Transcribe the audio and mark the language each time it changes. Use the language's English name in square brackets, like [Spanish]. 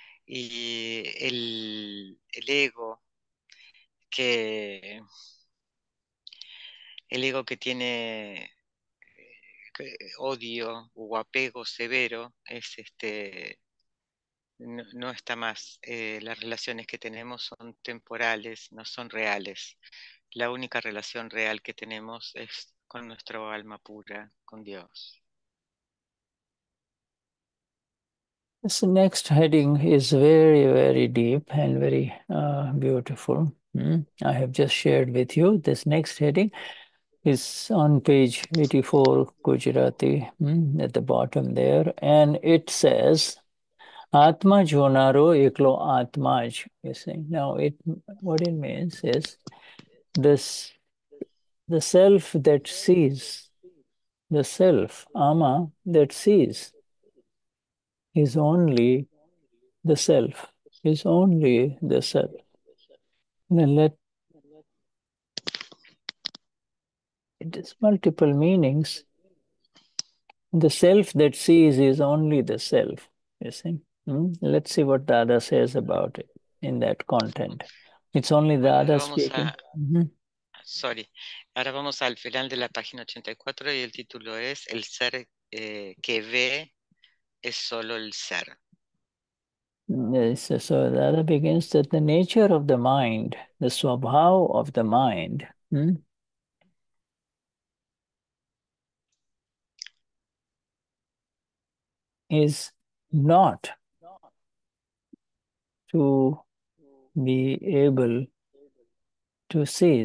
[Spanish] Y el ego que tiene odio o apego severo es no está más. Las relaciones que tenemos son temporales, no son reales. La única relación real que tenemos es con nuestro alma pura, con Dios. [English] This next heading is very, very deep and very beautiful. I have just shared with you. This next heading is on page 84, Gujarati, at the bottom there. And it says, [Gujarati] Atma jonaro eklo atmaj. [English] You see, now it, what it means is this, the self that sees, the self, ama, that sees, is only the self, is only the self. Then let, it has multiple meanings. The self that sees is only the self, you see. Let's see what Dada says about it in that content. It's only Dada speaking. Sorry. [Spanish] Ahora vamos al final de la página 84 y el título es El ser que ve es solo el ser. [English] So Dada begins that the nature of the mind, the swabhav of the mind. Is not to be able to see.